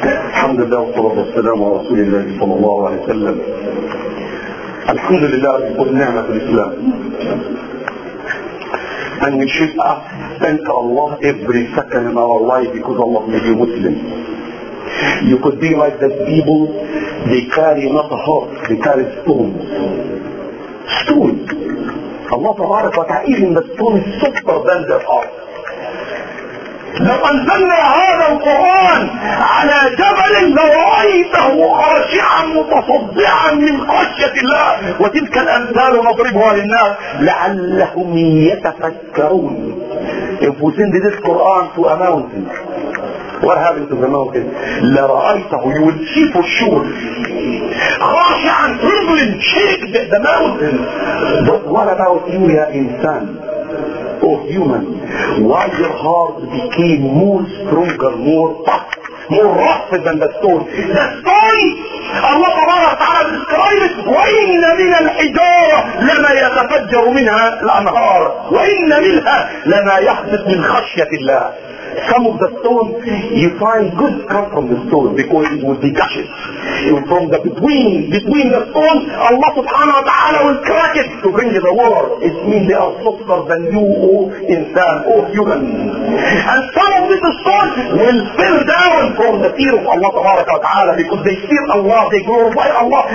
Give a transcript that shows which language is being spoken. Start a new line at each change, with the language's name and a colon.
Arabic: الحمد لله والصلاة والسلام على رسول الله صلى الله عليه وسلم. الحمد لله رب نعمة الإسلام.
English: And we should thank Allah every second in our life because Allah made you Muslim. You could be like the people, they carry not a heart, they carry stones. Stone. Allah
Arabic: تبارك وتعالى,
English: even the stone is softer than their heart.
Arabic: لو أنزلنا هذا القرآن على جبل لرأيته خاشعا متصدعا من خشية الله وتلك الأمثال نضربها للناس لعلهم يتفكرون.
English: If we send this Quran to a mountain, what happens to the mountain?
Arabic: لرأيته,
English: you will see for sure,
Arabic: خاشعا
English: trembling, shaking the mountain. But what about you,
Arabic: يا إنسان؟
English: Oh human, why your heart became more stronger, more tough, more rough than the stone? The stone, Allah Ta'ala describes,
Arabic: وَإِنَّ مِنَ الْحِجَارَةِ لَمَا يَتَفَجَّرُ مِنْهَا الْأَنْهَارَ وَإِنَّ مِنْهَا لَمَا يَحْدُثُ مِنْ خَشْيَةِ اللَّهِ.
English: Some of the stones, you find good come from the stone because it will be gushes. From the between the stones, Allah subhanahu wa ta'ala will crack it to bring you the water. It means they are softer than you, O insan, O human. And some of these stones will fill down from the fear of Allah subhanahu wa ta'ala because they fear Allah, they glorify Allah.